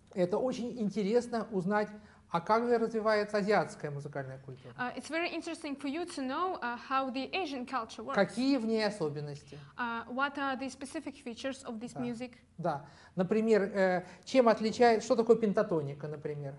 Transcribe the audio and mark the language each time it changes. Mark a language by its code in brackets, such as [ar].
[ru] Это очень интересно узнать. А как же развивается азиатская музыкальная культура? [en] It's very interesting for you to know how the Asian culture works. [ru] Какие в ней особенности? [en] What are the specific features of this music? [ru] Да. Например, чем отличается, что такое пентатоника, например?